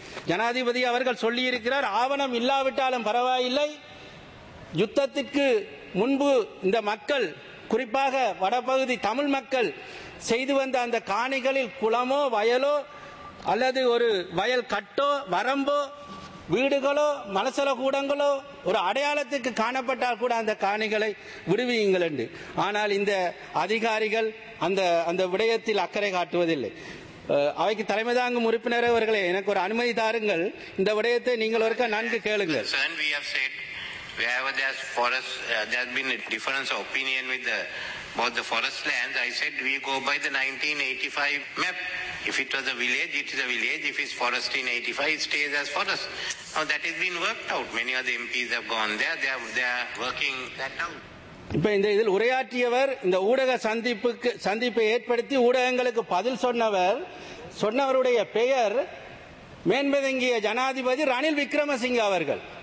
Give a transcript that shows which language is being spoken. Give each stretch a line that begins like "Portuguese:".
Tamil: ஜனாதிபதி அவர்கள் சொல்லியிருக்கிறார், ஆவணம் இல்லாவிட்டாலும் பரவாயில்லை, யுத்தத்துக்கு முன்பு இந்த மக்கள், குறிப்பாக வடபகுதி தமிழ் மக்கள் செய்து வந்த அந்த காணிகளில் குளமோ வயலோ அல்லது ஒரு வயல் கட்டோ வரம்போ வீடுகளோ மலசல கூடங்களோ ஒரு அடையாளத்துக்கு காணப்பட்டால் கூட அந்த காணிகளை விடுவியுங்கள் என்று. ஆனால் இந்த அதிகாரிகள் அந்த விடயத்தில் அக்கறை காட்டுவதில்லை. அவைக்கு தலைமை தாங்கும் உறுப்பினர் அவர்களே, எனக்கு ஒரு அனுமதி தாருங்கள், இந்த விடயத்தை நீங்கள் ஒருக்க நன்கு கேளுங்கள்.
English: Sir, we have said, we have, there's forest, there's been a difference of opinion with the, about the forest lands. I said we go by the 1985 map. If it was a village, it is a village. If it's forest in 85, it stays as forest. Now that has been worked out. Many of the MPs have gone there. They are working that out.
Tamil: இப்ப இந்த இதில் உரையாற்றியவர், இந்த ஊடக சந்திப்பை ஏற்படுத்தி ஊடகங்களுக்கு பதில் சொன்னவருடைய பெயர் மேன்மதங்கிய ஜனாதிபதி ரணில் விக்ரமசிங்க அவர்கள்.